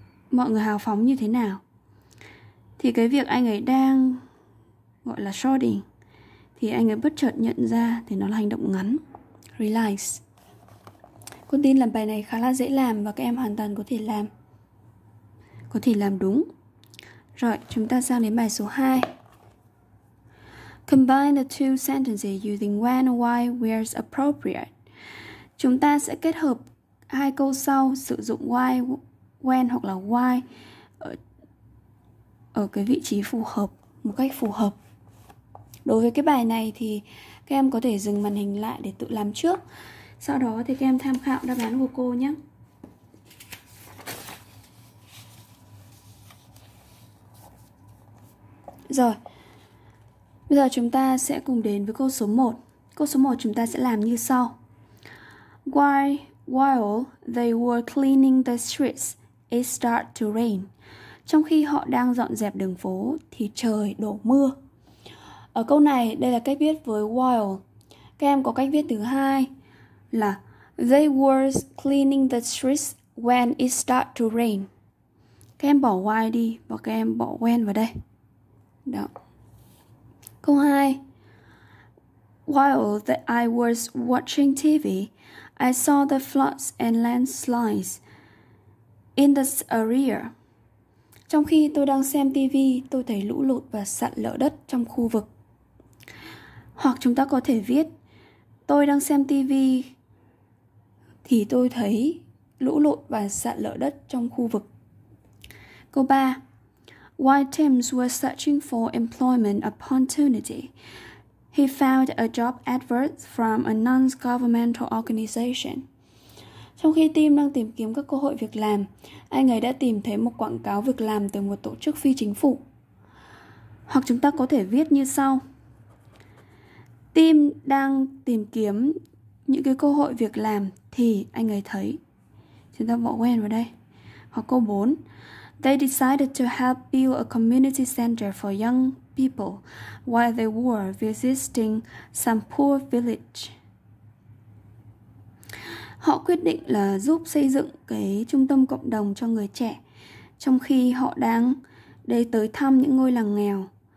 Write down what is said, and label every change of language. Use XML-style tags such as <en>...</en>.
<vi>Mọi người hào phóng như thế nào? Thì cái việc anh ấy đang gọi là shouting thì anh ấy bất chợt nhận ra thì nó là hành động ngắn. Realize. Cô tin là bài này khá là dễ làm và các em hoàn toàn có thể làm. Có thể làm đúng. Rồi, chúng ta sang đến bài số 2.</vi> <en>Combine the two sentences using when, why, where is appropriate.</en> <vi>Chúng ta sẽ kết hợp hai câu sau sử dụng why, when hoặc là why ở cái vị trí phù hợp, một cách phù hợp. Đối với cái bài này thì các em có thể dừng màn hình lại để tự làm trước. Sau đó thì các em tham khảo đáp án của cô nhé. Rồi. Bây giờ chúng ta sẽ cùng đến với câu số 1. Câu số 1 chúng ta sẽ làm như sau.</vi> <en>While they were cleaning the streets, it started to rain.</en> <vi>Trong khi họ đang dọn dẹp đường phố thì trời đổ mưa. Ở câu này đây là cách viết với while. Các em có cách viết thứ hai là they were cleaning the streets when it started to rain. Các em bỏ why đi và các em bỏ when vào đây. Đó. Câu 2.</vi> <en>While that I was watching TV, I saw the floods and landslides in this area.</en> <vi>Trong khi tôi đang xem TV, tôi thấy lũ lụt và sạt lở đất trong khu vực. Hoặc chúng ta có thể viết, tôi đang xem TV thì tôi thấy lũ lụt và sạt lở đất trong khu vực.</vi> <en>Câu 3. While Tim was searching for employment opportunity, he found a job advert from a non-governmental organization.</en> <vi>Trong khi Tim đang tìm kiếm các cơ hội việc làm, anh ấy đã tìm thấy một quảng cáo việc làm từ một tổ chức phi chính phủ. Hoặc chúng ta có thể viết như sau. Tim đang tìm kiếm những cái cơ hội việc làm thì anh ấy thấy. Chúng ta bỏ quen vào đây. Hoặc câu 4.</vi> <en>They decided to help build a community center for young people while they were visiting some poor village.</en> <vi>Họ quyết định là giúp xây dựng cái trung tâm cộng đồng cho người trẻ trong khi họ đang đi tới thăm những ngôi làng nghèo.</vi>